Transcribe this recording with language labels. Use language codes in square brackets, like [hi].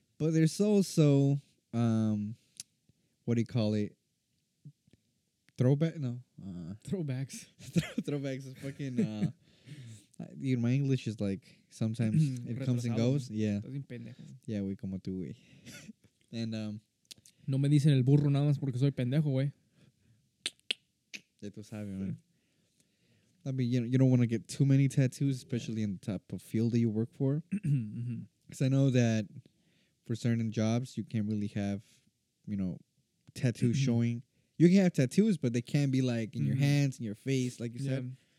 [en] But there's also what do you call it? Throwbacks. Throwbacks is fucking my English is like sometimes it comes and goes. Yeah. Yeah, we [es] como tú, güey. [en] And [es] no me dicen el burro nada más porque soy pendejo, güey. Ya tú sabes, man. [en] I mean, you know, you don't want to get too many tattoos, especially in the type of field that you work for. Because I know that for certain jobs, you can't really have, you know, tattoos showing. You can have tattoos, but they can't be, like, in your hands, in your face, like you said.